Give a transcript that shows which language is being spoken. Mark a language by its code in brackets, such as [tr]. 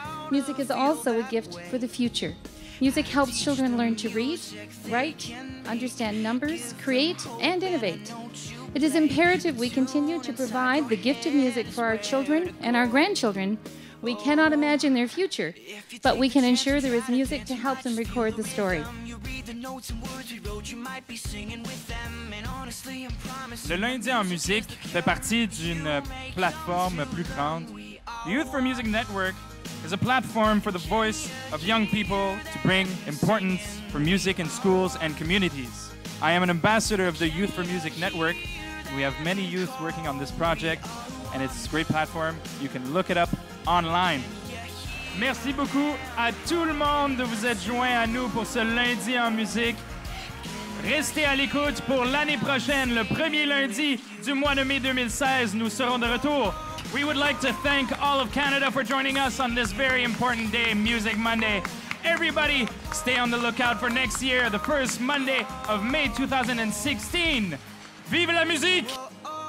[en] Music is also a gift for the future. Music helps children learn to read, write, understand numbers, create, and innovate. It is imperative we continue to provide the gift of music for our children and our grandchildren. We cannot imagine their future, but we can ensure there is music to help them record the story. [fr] Le lundi en musique fait partie d'une plateforme plus grande. [en] The Youth for Music Network is a platform for the voice of young people to bring importance for music in schools and communities. I am an ambassador of the Youth for Music Network. We have many youth working on this project, and it's a great platform. You can look it up online. [fr] Merci beaucoup à tout le monde de vous être joint à nous pour ce lundi en musique. Restez à l'écoute pour l'année prochaine, le premier lundi du mois de mai 2016. Nous serons de retour. [en] We would like to thank all of Canada for joining us on this very important day, Music Monday. Everybody, stay on the lookout for next year, the first Monday of May 2016. [fr] Vive la musique!